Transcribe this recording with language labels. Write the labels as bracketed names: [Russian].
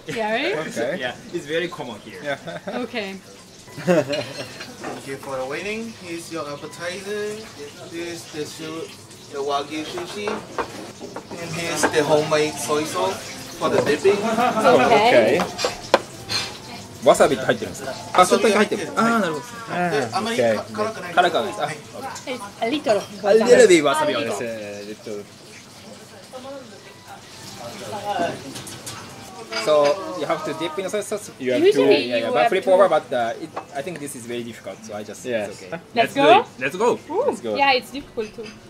[English] Yeah, right? Okay. Yeah, it's very common here. Yeah. Okay. Thank you for waiting. Here's your appetizer. This is the the Wagyu sushi, and here's the homemade soy sauce for the dipping. Okay. [Japanese] わさびって入ってるんですか？あ、ちょっとだけ入ってる。あ、なるほど。あまり辛くない。辛くないです。 [English] あ、あ、リトル。 [Japanese] あ、リトルでわさびをです。 [English] リトル。 So you have to dip in the soy sauce. You have to. Yeah, But flip over. But I think this is very difficult. So I just. Yes. Okay. Let's go. Let's go. Let's go. Yeah, it's difficult too.